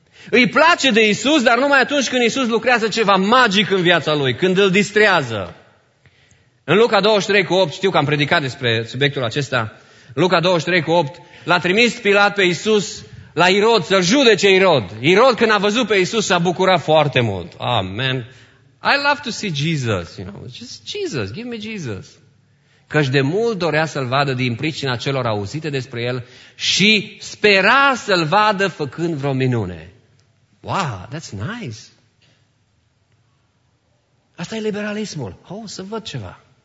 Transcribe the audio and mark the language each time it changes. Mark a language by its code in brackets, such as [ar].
[ro] Îi place de Iisus, dar numai atunci când Iisus lucrează ceva magic în viața lui, când îl distrează. În Luca 23:8, știu că am predicat despre subiectul acesta, Luca 23:8, l-a trimis Pilat pe Iisus la Irod, să-l judece Irod. Irod, când a văzut pe Iisus, s-a bucurat foarte mult. [en] Oh, man, I love to see Jesus. You know, just Jesus, give me Jesus. [ro] Căci de mult dorea să-l vadă din pricina celor auzite despre el și spera să-l vadă făcând vreo minune. [en] Wow, that's nice. [ro] Asta e liberalismul. Oh, să văd ceva.